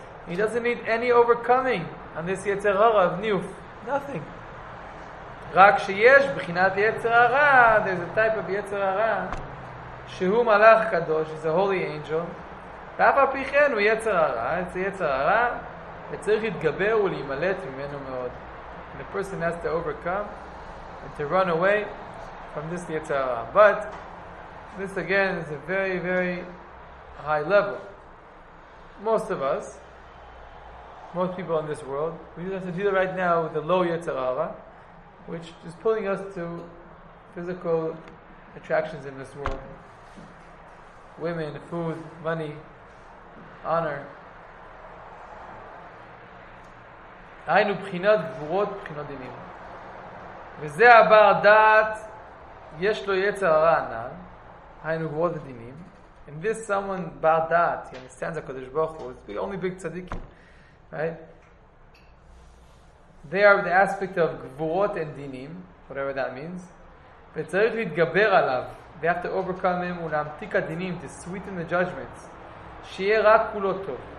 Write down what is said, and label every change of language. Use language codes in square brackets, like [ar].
[en] He doesn't need any overcoming. [he] And this יצר הרע, ניוף. Nothing. רק שיש בחינת יצר הרע, there's a type of יצר הרע, שהוא מלאך קדוש, he's a holy angel. ואף על פי כן הוא יצר הרע, it's a יצר הרע, וצריך להתגבר ולהימלט ממנו מאוד. [en] And the person has to overcome and to run away from this yetzara. But this again is a very, very high level. Most of us, most people in this world, we just have to deal right now with the low yetzara, which is pulling us to physical attractions in this world. Women, food, money, honor. [he] היינו בחינות גבורות, בחינות דינים. וזה הבר דעת, יש לו יצר הרע ענן, היינו גבורות ודינים. [en] And this someone בר דעת, he understands הקדוש ברוך הוא, it's only big tzaddikim, right? They are the aspect of גבורות and דינים, whatever that means, וצריך להתגבר עליו, they have to overcome him, ולהמתיק הדינים, to sweeten the judgments, שיהיה רק כולו טוב.